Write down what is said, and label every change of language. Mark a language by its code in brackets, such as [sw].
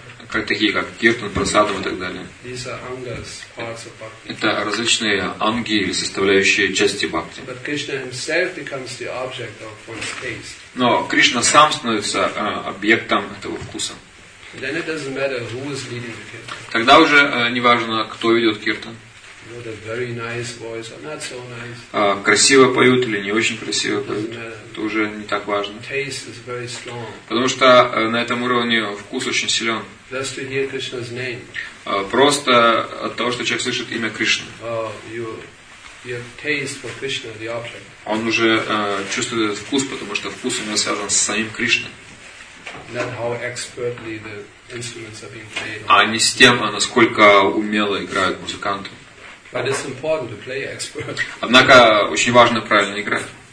[ru] Такие как киртан, прасадам и так далее. [en] These are angas, parts of bhakti. [ru] Это различные анги или составляющие части бхакти. [en] But Krishna himself becomes the object of one's taste. [ru] Но Кришна сам становится объектом этого вкуса. [en] Then it doesn't matter who is leading the kirtan. [ru] Тогда уже не важно, кто ведет киртан. [en] With a very nice voice, or not so nice. [ru] Красиво поют или не очень красиво поют, это уже не так важно. [en] Taste is very strong. [ru] Потому что на этом уровне вкус очень силен. [en] Just to hear Krishna's name. [ru] Просто от того, что человек слышит имя Кришны. [en] Your taste for Krishna, the object. [ru] Он уже чувствует этот вкус, потому что вкус у него связан с самим Кришной. [en] Not how expertly the instruments are being played. [ru] А не с тем, насколько умело играют музыканты. [en] But it's important to play expert. [ru] Однако очень важно правильно играть.